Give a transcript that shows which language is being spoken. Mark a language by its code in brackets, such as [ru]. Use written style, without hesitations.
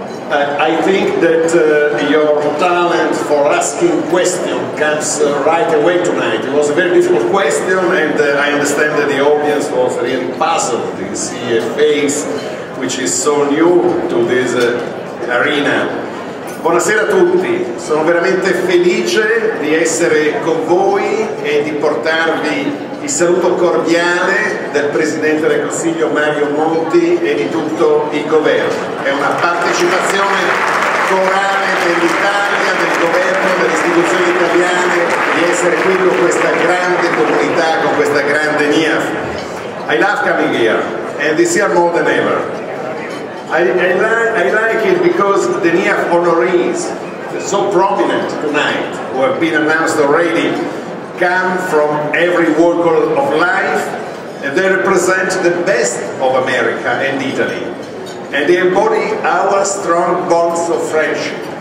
[en] I think that your talent for asking questions comes right away tonight. It was a very difficult question, and I understand that the audience was really puzzled to see a face which is so new to this arena. [it] Buonasera a tutti. Sono veramente felice di essere con voi e di portarvi il saluto cordiale del Presidente del Consiglio Mario Monti e di tutto il Governo. È una partecipazione corale dell'Italia, del Governo, delle istituzioni italiane di essere qui con questa grande comunità, con questa grande NIAF. [en] I love coming here, and this year more than ever. I like it because the NIAF honorees, so prominent tonight, who have been announced already, come from every walk of life, and they represent the best of America and Italy, and they embody our strong bonds of friendship.